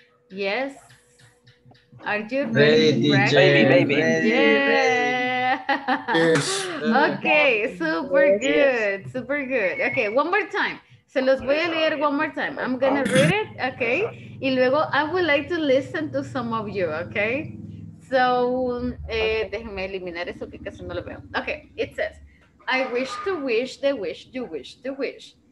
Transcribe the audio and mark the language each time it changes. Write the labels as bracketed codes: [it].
[en] Yes. Are you ready? Ready, yeah. Yes. Okay, super good. Super good. Okay, one more time. [es] Se los voy a leer [en] one more time. I'm going to read it, okay? [es] Y luego [en] I would like to listen to some of you, okay? [es] So, déjenme eliminar eso que casi no lo veo. [en] Okay, it says, I wish to wish the wish you wish to wish.